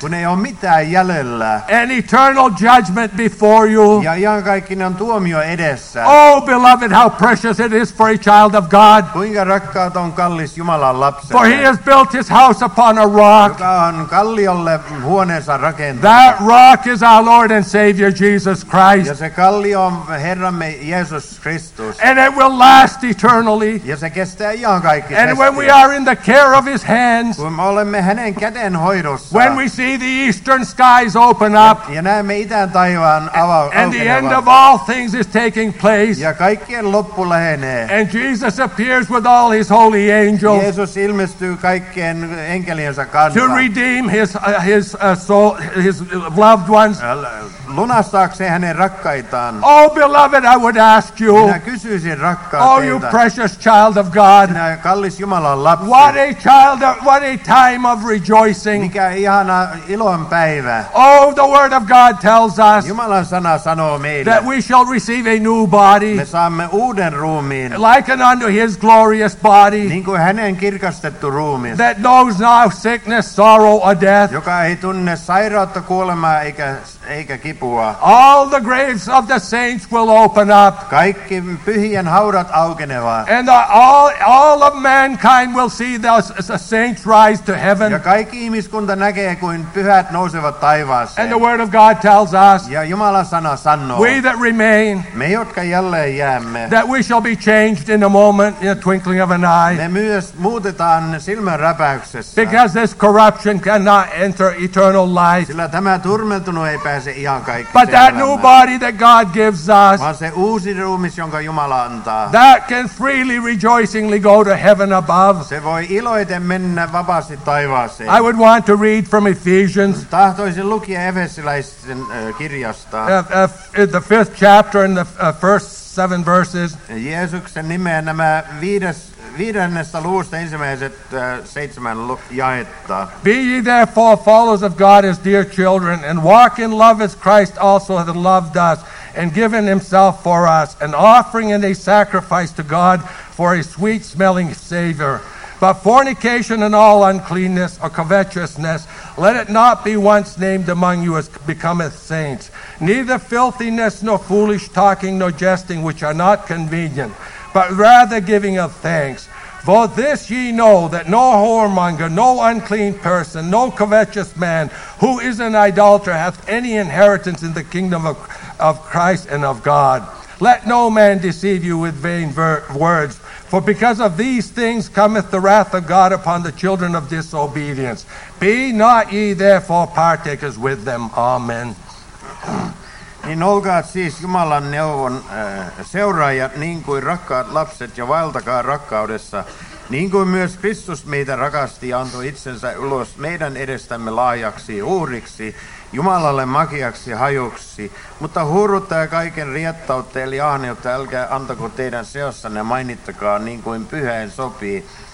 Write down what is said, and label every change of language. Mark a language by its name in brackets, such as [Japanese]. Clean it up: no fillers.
[Finnish] Kun ei ole mitään jäljellä. [English] An eternal judgment before you. [Finnish] Ja iankaikkinen tuomio edessä. [English] Oh, beloved, how precious it is for a child of God. [Finnish] Kuinka rakkaat on kallis Jumalan lapselle. [English] For he has built his house upon a rock. [Finnish] Joka on kalliolle huoneensa rakentanut. [English] That rock is our Lord and Savior Jesus Christ. [Finnish] Ja se kallio on Herramme Jeesus Kristus. [English] And it will last eternally. [Finnish] Ja se kestää iankaikkisesti. [English] And when we are in the care of his hands. [Finnish] Kun olemme hänen käden hoidossa. [English] When we see the eastern skies open up. [Finnish] Ja näemme itän taivaan aukenevan. [English] And the end of all things is taking place. [Finnish] Ja kaikkien loppu lähenee. [English] And Jesus appears with all his holy angels. [Finnish] Jeesus ilmestyy kaikkien enkeliensä kanssa. [English] To redeem his loved ones. [Finnish] Lunastaakseen hänen rakkaitaan. [English] Oh, beloved, I would ask you. [Finnish] Minä kysyisin rakkaat teiltä. [English] Oh, you precious child of God. [Finnish] Sinä kallis Jumalan lapsi. [English] What a time of rejoicing. [Finnish] Mikä ihana ilon päivä. [English] Oh, the word of God tells us. [Finnish] Jumalan sana sanoo meille. [English] That we shall receive a new body. [Finnish] Me saamme uuden ruumiin. [English] Likened unto his glorious body. [Finnish] Niin kuin hänen kirkastettu ruumiin. [English] That knows no sickness, sorrow or death. [Finnish] Joka ei tunne sairautta, kuolemaa eikä kipua. [English] All the graves of the saints will open up. [Finnish] Kaikki pyhien haudat aukenevat. [English] And all of mankind will see the saints rise to heaven. [Finnish] Ja kaikki ihmiskunta näkee, kuin pyhät nousevat taivaaseen. [English] And the word of God tells us. [Finnish] Ja Jumalan sana sanoo. [English] We that remain. [Finnish] Me, jotka jälleen jäämme. [English] That we shall be changed in a moment, in a twinkling of an eye. [Finnish] Me myös muutetaan silmänräpäyksessä. [English] Because this corruption cannot enter eternal life. [Finnish] Sillä tämä turmeltunut ei pääse. [English] But that new body that God gives us, [Finnish] vaan se uusi ruumis, jonka Jumala antaa, [English] that can freely, rejoicingly go to heaven above. [Finnish] Se voi iloiten mennä vapaasti taivaaseen. [English] I would want to read from Ephesians. [Finnish] Tahtoisin lukia Efesilaisten kirjasta. [English] The fifth chapter and the first seven verses. [Finnish] Jeesuksen nimeen nämä viidennestä luvusta ensimmäiset seitsemän jaetta. [English] Be ye therefore followers of God as dear children, and walk in love as Christ also hath loved us, and given himself for us, an offering and a sacrifice to God for a sweet-smelling savor. But fornication and all uncleanness or covetousness, let it not be once named among you as becometh saints. Neither filthiness, nor foolish talking, nor jesting, which are not convenient, but rather giving of thanks. For this ye know, that no whoremonger, no unclean person, no covetous man, who is an idolater, hath any inheritance in the kingdom of Christ and of God. Let no man deceive you with vain words, for because of these things cometh the wrath of God upon the children of disobedience. Be not ye therefore partakers with them. Amen. [Finnish] Niin olkaat siis Jumalan neuvon seuraajat niin kuin rakkaat lapset ja vaeltakaa rakkaudessa, niin kuin myös Kristus meitä rakasti ja antoi itsensä ulos meidän edestämme lahjaksi uhriksi, Jumalalle makiaksi hajuksi, mutta huuruttaa kaiken riettautta eli ahneutta, älkää antako teidän seossanne mainittakaan niin kuin pyhään sopii.